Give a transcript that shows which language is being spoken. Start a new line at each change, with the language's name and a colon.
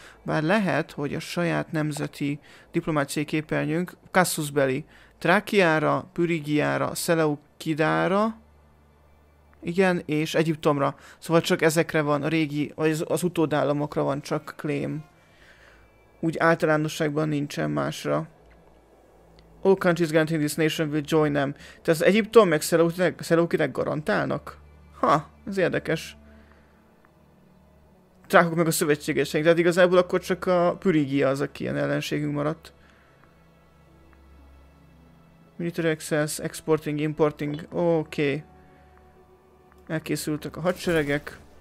Hungarian: Bár lehet, hogy a saját nemzeti diplomáciai képernyőnk Cassus Belli. Trákiára, Pürigiára, Szeleukidára, igen, és Egyiptomra. Szóval csak ezekre van, a régi, vagy az utódállamokra van csak klém. Úgy általánosságban nincsen másra.
English: All countries granting this nation will join them.
Hungarian: Tehát az Egyiptom meg Szeleukidák garantálnak? Ha, ez érdekes. Trákok meg a szövetségeseink, tehát igazából akkor csak a Pürigia az, aki ilyen ellenségünk maradt. Military access, exporting, importing, oké. Elkészültek a hadseregek.